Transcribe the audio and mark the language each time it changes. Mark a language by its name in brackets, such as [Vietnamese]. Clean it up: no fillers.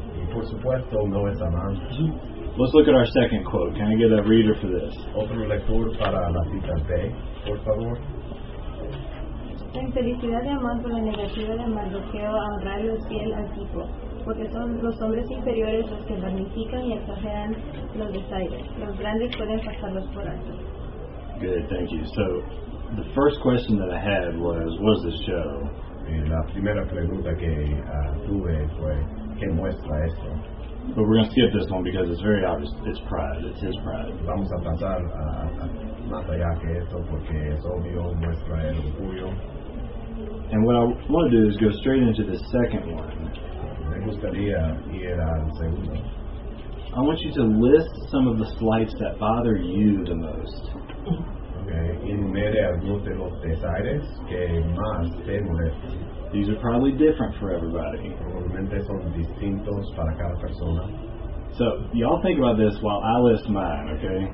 [Spanish] Y por supuesto, no es Amán. [English] Let's look at our second quote. Can I get a reader for this? [Spanish] Otro lector para la cita B, por favor. La infelicidad de Amán por la negativa de Mardoqueo a honrar los fiel al tipo, porque son los hombres inferiores los que magnifican y exageran los desaires. Los grandes pueden pasarlos por alto. [English] Good, thank you. So, the first question that I had was, what is this show? [Spanish] Y la primera pregunta que tuve fue, ¿qué muestra esto? [English] But we're going to skip this one because it's very obvious. It's pride. It's his pride. [Spanish] Vamos a pasar más allá que esto porque es obvio, muestra el orgullo. [English] And what I want to do is go straight into the second one. [Spanish] Me gustaría ir al segundo. [English] I want you to list some of the slights that bother you the most. Okay. [Spanish] Enumere algunos de los desaires que más te molestan. [English] These are probably different for everybody. [Spanish] Probablemente son distintos para cada persona. [English] So, y'all think about this while I list mine, okay?